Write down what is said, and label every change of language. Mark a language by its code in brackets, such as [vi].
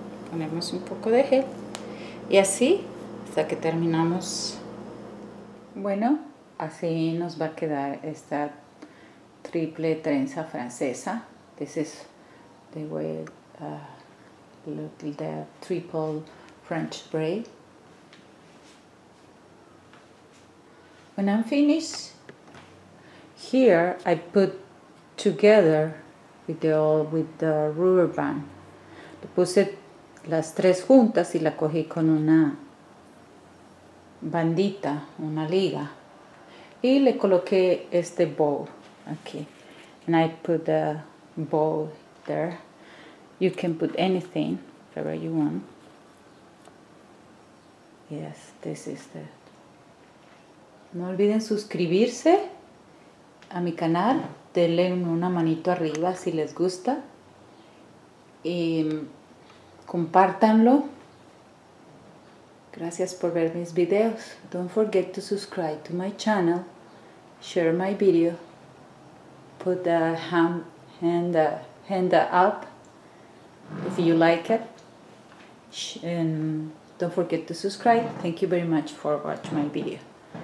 [es] Ponemos un poco de gel y así hasta que terminamos. Bueno, así nos va a quedar esta triple trenza francesa. [en] This is the way look the triple French braid. When I'm finished, here I put together with the rubber band. [es] Le puse las tres juntas y la cogí con una bandita, una liga. Y le coloqué este bow aquí. [en] And I put the bow there. You can put anything, whatever you want. Yes, this is the... [es] No olviden suscribirse a mi canal, denle una manito arriba si les gusta y compártanlo. Gracias por ver mis videos. [en] Don't forget to subscribe to my channel, share my video, put the hand up if you like it, and don't forget to subscribe. Thank you very much for watching my video.